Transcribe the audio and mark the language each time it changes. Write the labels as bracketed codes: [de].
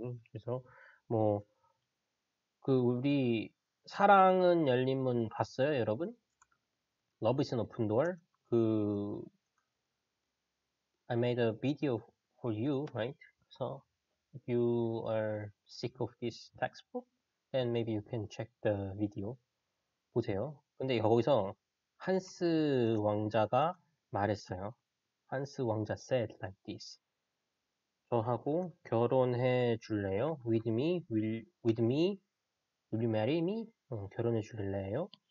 [ko] 그래서 뭐그 우리 사랑은 열린 문 봤어요, 여러분? [en] Love is an open door. 그 I made a video for you, right? So If you are sick of this textbook, then maybe you can check the video. [ko] 보세요. 근데 거기서 한스 왕자가 말했어요. [en] 한스 왕자 said like this. [ko] 저하고 결혼해 줄래요? [en] With me? With me? Will you marry me? [ko] 결혼해 줄래요?